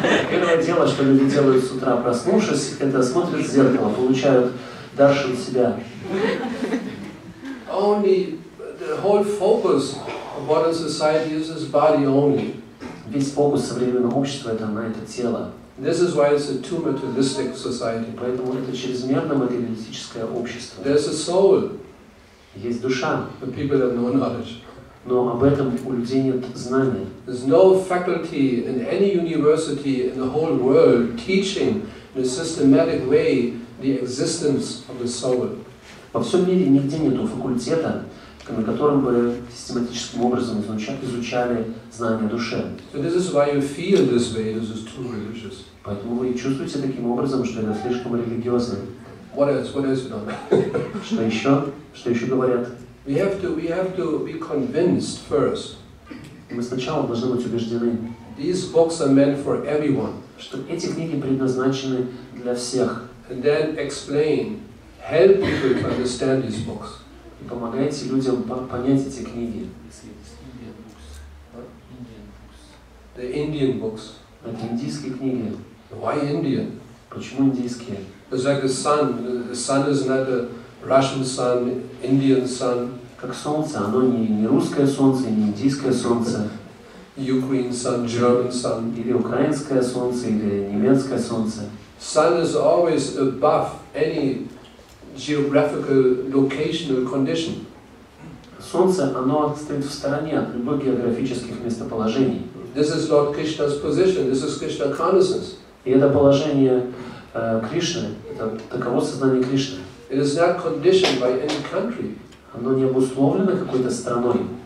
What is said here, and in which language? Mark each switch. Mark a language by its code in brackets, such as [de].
[ru] Первое дело, что люди делают с утра, проснувшись, это смотрят в зеркало, получают даршан себя. [en] Only the whole focus of modern society is this body only. [ru] Весь фокус современного общества это на это тело. [en] This is why it's a too materialistic society. [ru] Поэтому это чрезмерно материалистическое общество. [en] There's a soul. [ru] Есть душа. [en] But people have no knowledge. [ru] Но об этом у людей нет знания. [en] There's no faculty in any university in the whole world teaching in a systematic way the existence of the soul. [ru] Во всем мире нигде нет факультета, на котором бы систематическим образом изучали знания души. [en] So this is why you feel this way. This is too religious. [ru] Поэтому вы чувствуете таким образом, что это слишком религиозно. [en] What else? What else you know? [ru] Что еще? Что еще говорят? [en] We have to be convinced first. [ru] Мы сначала должны быть убеждены. [en] These books are meant for everyone. [ru] Что эти книги предназначены для всех. [en] And then explain, help people to understand these books. [ru] И помогайте людям понять эти книги. [en] The Indian books. [ru] Это индийские книги. [en] Why Indian? [ru] Почему индийские? [en] It's like the sun. The sun is not a Russian sun, Indian sun. [ru] Как солнце, оно не русское солнце, не индийское солнце. [en] Ukraine sun, German sun. [ru] Или украинское солнце, или немецкое солнце. [en] Sun is always above any geographical locational condition. [ru] Солнце, оно стоит в стороне от любых географических местоположений. [en] This is Lord Krishna's position. This is Krishna consciousness. [ru] И это положение Кришны, это таково сознание Кришны. [en] It is not conditioned by any country. [ru] Оно не обусловлено какой-то страной.